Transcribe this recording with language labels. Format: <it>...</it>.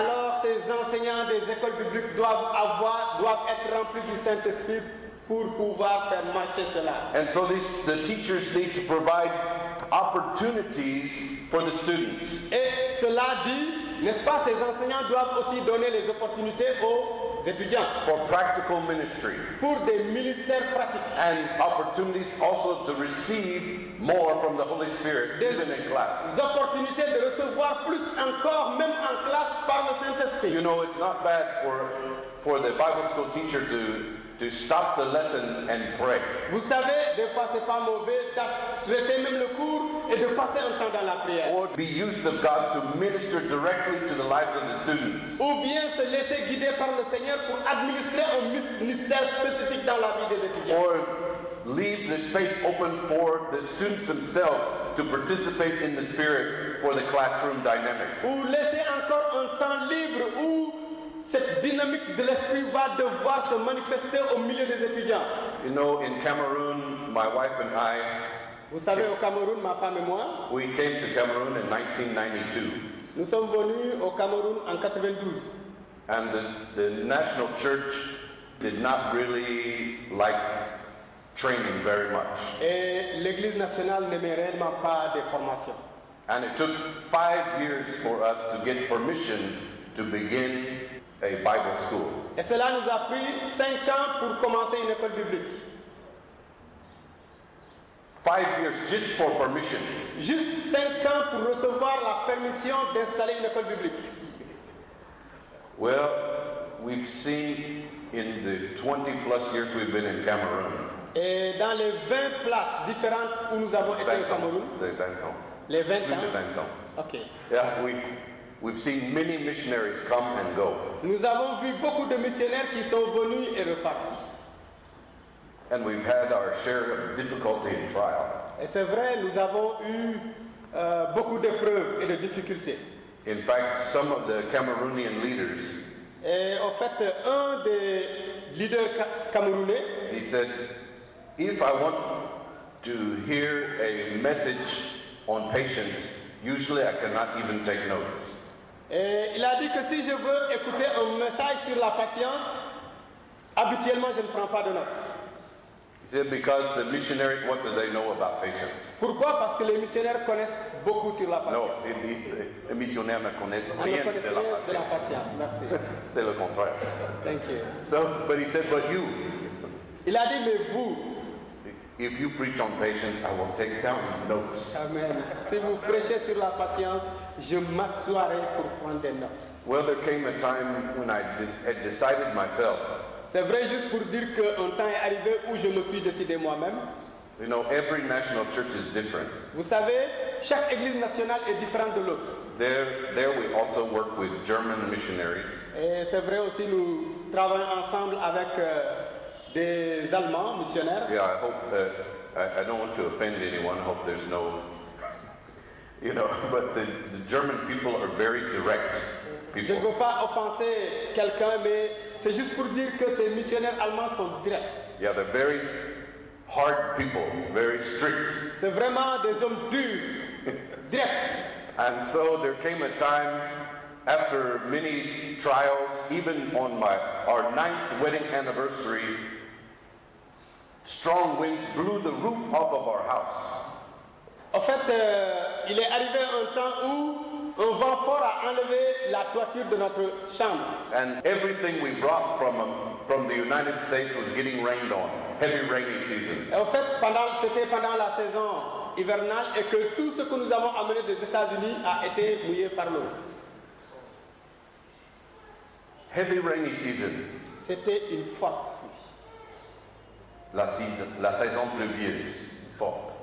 <fr>Alors ces enseignants des écoles bibliques doivent être remplis du Saint-Esprit pour pouvoir faire marcher cela.</fr> <en>And so the teachers need to provide opportunities for the students.</en> <fr>Et cela dit, n'est-ce pas, ces enseignants doivent aussi donner les opportunités aux étudiants.</fr> <en>For practical ministry.</en> <fr>Pour des ministères pratiques.</fr> <en>And opportunities also to receive more from the Holy Spirit,</en> <fr>des</fr> <en>even in class.</en> <fr>Des opportunités de recevoir plus encore, même en classe, par le Saint-Esprit.</fr> <en>You know, it's not bad for the Bible school teacher to stop the lesson and pray.</en> <fr>Vous savez, des fois c'est pas mauvais d'arrêter même le cours et de passer un temps dans la prière.</fr> <en>Or be used of God to minister directly to the lives of the students.</en> <fr>Ou bien se laisser guider par le Seigneur pour administrer un ministère spécifique dans la vie des étudiants.</fr> <en>Or leave the space open for the students themselves to participate in the Spirit for the classroom dynamic.</en> <fr>Ou laisser encore un temps libre où cette dynamique de l'esprit va devoir se manifester au milieu des étudiants.</fr> <en>You know, in Cameroon, my wife and I.</en> <fr>Vous savez, au Cameroun, ma femme et moi.</fr> <en>We came to Cameroon in 1992.</en> <fr>Nous sommes venus au Cameroun en 92.</fr> <en>And the national church did not really like training very much.</en> <fr>Et l'église nationale n'aimait réellement pas des formations.</fr> <en>And it took 5 years for us to get permission to begin a Bible school.</en> <fr>Et cela nous a pris 5 ans pour commencer une école biblique.</fr> <en>5 years just for permission.</en> <fr>Juste 5 ans pour recevoir la permission d'installer une école biblique.</fr> <en>Well, we've seen in the 20 plus years we've been in Cameroon.</en> <fr>Et dans les 20 places différentes où nous avons été au Cameroun. Les 20 ans. OK.</fr> <en>Yeah, we've seen many missionaries come and go.</en> <fr>Nous avons vu beaucoup de missionnaires qui sont venus et repartis.</fr> <en>And we've had our share of difficulty and trial.</en> <fr>Et c'est vrai, nous avons eu beaucoup d'épreuves et de difficultés.</fr> <en>In fact, some of the Cameroonian leaders.</en> <fr>Et en fait, un des leaders camerounais.</fr> <en>He said, "If I want to hear a message on patience, usually I cannot even take notes."</en> <fr>Et il a dit que si je veux écouter un message sur la patience, habituellement je ne prends pas de notes. He said, because the missionaries, what do they know about patience? Pourquoi? Parce que les missionnaires connaissent beaucoup sur la patience. Non, les missionnaires ne connaissent rien de la patience. Merci. C'est le contraire.</fr> <en>Thank you. So, but he said, but you.</en> <fr>Il a dit, mais vous.</fr> <en>If you preach on patience, I will take down notes. Amen.</en> <fr>Si vous prêchez sur la patience, je m'assoirai pour prendre des notes.</fr> <en>Well, there came a time when I had decided myself.</en> <fr>C'est vrai, juste pour dire qu'un temps est arrivé où je me suis décidé moi-même.</fr> <en>You know, every national church is different.</en> <fr>Vous savez, chaque église nationale est différente de l'autre.</fr> <en>There we also work with German missionaries.</en> <fr>Et c'est vrai aussi, nous travaillons ensemble avec des Allemands missionnaires.</fr> <en>Yeah, I hope I don't want to offend anyone. I hope there's no, you know, but the German people are very direct people.</en> <fr>Je ne veux pas offenser quelqu'un, mais c'est juste pour dire que ces missionnaires allemands sont directs.</fr> <en>Yeah, they're very hard people, very strict.</en> <fr>C'est vraiment des hommes durs, directs.</fr> <en>And so there came a time after many trials, even on our 9th wedding anniversary, strong winds blew the roof off of our house.</en> <fr>En fait, il est arrivé un temps où un vent fort a enlevé la toiture de notre chambre.</fr> <en>And everything we brought from the United States was getting rained on, heavy rainy season.</en> <fr>En fait, c'était pendant la saison hivernale et que tout ce que nous avons amené des États-Unis a été mouillé par l'eau.</fr> <en>Heavy rainy season.</en> <fr>C'était une forte pluie. La saison pluvieuse forte.</fr>